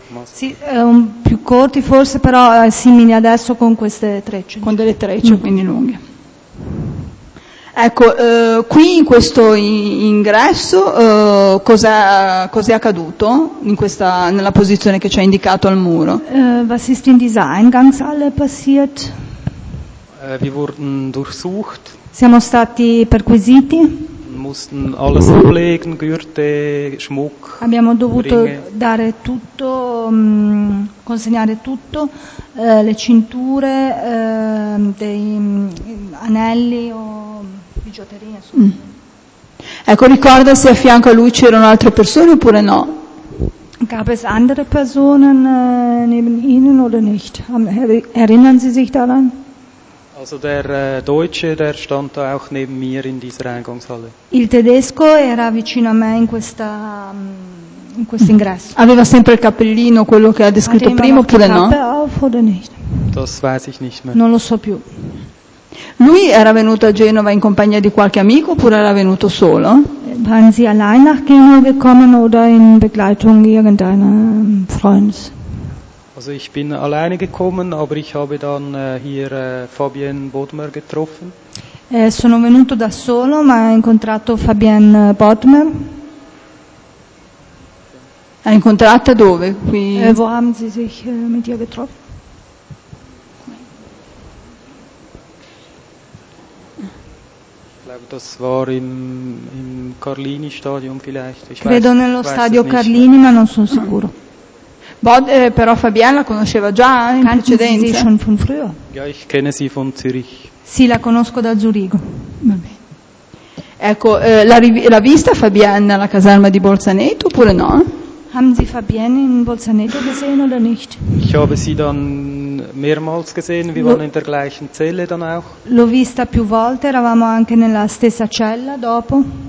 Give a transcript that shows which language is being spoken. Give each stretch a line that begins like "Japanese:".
Italian: Sì, più corti forse, però simili adesso con queste trecce. Con delle trecce, quindi lunghe. Ecco, qui in questo ingresso, cos'è accaduto nella posizione che ci ha indicato al muro?
German: Was ist in dieser Eingangshalle passiert? Wir wurden durchsucht.
Italian: Siamo stati perquisiti.
German: Mussten alles ablegen, Gürtel, Schmuck,
Italian: abbiamo dovuto
German: Ringe.
Italian: Dare tutto, consegnare tutto, le cinture, dei anelli o bigiotterie. Ecco, ricorda se a fianco a lui c'erano altre persone oppure no?
German: Gab es andere Personen neben Ihnen oder nicht? Erinnern Sie sich daran? Also der Deutsche, der stand da auch neben mir in dieser Eingangshalle.
Italian: Il tedesco era vicino a me in questa in questo ingresso. Aveva sempre il cappellino, quello che ha descritto prima, oppure no?
German: Auf oder nicht? Das weiß ich nicht mehr.
Italian: Non lo so più. Lui era venuto a Genova in compagnia di qualche amico oppure era venuto solo?
German: Waren Sie allein nach Genova gekommen oder in Begleitung irgendeiner Freundes? Also ich bin alleine gekommen, aber ich habe dann hier Fabienne Bodmer getroffen.
Italian: Sono venuto da solo, ma ho incontrato Fabien Bodmer. Ha incontrato dove? Qui.
German: Wo haben Sie sich mit ihr getroffen? Das war im Carlini Stadium vielleicht. Ich
Italian: credo
German: weiß,
Italian: nello
German: weiß
Italian: stadio Carlini, ma non sono sicuro. Però Fabien la conosceva già in precedenza.
German: Sie schon von früher? Ja, ich kenne sie von Zürich.
Italian: Sì, la conosco da Zurigo. Va bene. Ecco, l'ha vista Fabien nella caserma di Bolzaneto oppure no?
German: Haben Sie Fabien in Bolzaneto gesehen oder nicht? Ich habe sie dann mehrmals gesehen, wir waren in der gleichen Zelle dann auch.
Italian: L'ho vista più volte, eravamo anche nella stessa cella dopo.